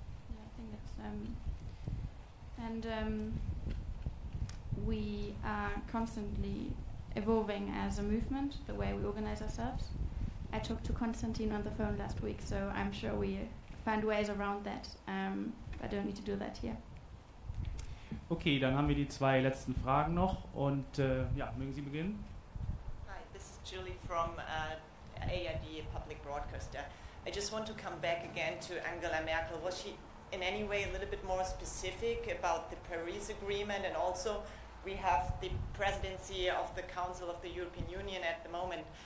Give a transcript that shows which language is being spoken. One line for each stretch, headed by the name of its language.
English: Yeah, I think that's we are constantly evolving as a movement, the way we organize ourselves. I talked to Constantine on the phone last week, so I'm sure we find ways around that. I don't need to do that here.
German: Okay, dann haben wir die zwei letzten Fragen noch und mögen Sie beginnen.
English: Hi, this is Julie from AID, a public broadcaster. I just want to come back again to Angela Merkel. Was she in any way a little bit more specific about the Paris Agreement? And also, we have the presidency of the Council of the European Union at the moment.